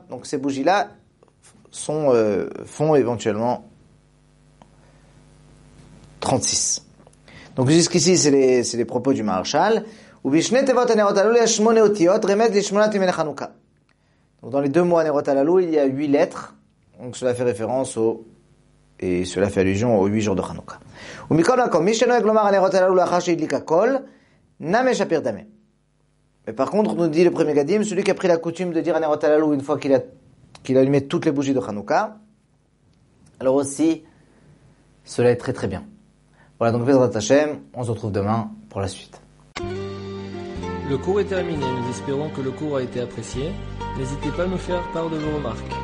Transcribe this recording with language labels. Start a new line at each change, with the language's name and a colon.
French: Donc ces bougies là font éventuellement 36. Donc jusqu'ici, c'est les propos du Maharshal.
Hebrew: ובשני תיבות הנרות הללו יש שמונה אותיות, רמז לשמונת ימי חנוכה.
French: Donc dans les deux mots
Hebrew: הנרות הללו,
French: il y a 8 lettres. Donc cela fait référence cela fait allusion aux 8 jours de חנוכה.
Hebrew: ומכל מקום, מי שנוהג לומר הנרות הללו לאחר שהדליק הכל, נמי שפיר דמי.
French: Mais par contre, nous dit le premier Gadim, celui qui a pris la coutume de dire
Hebrew: הנרות הללו
French: une fois qu'il a allumé toutes les bougies de חנוכה, alors aussi, cela est très très bien. Voilà, donc,
Hebrew: Bezrat Hashem,
French: on se retrouve demain pour la suite. Le cours est terminé, nous espérons que le cours a été apprécié. N'hésitez pas à nous faire part de vos remarques.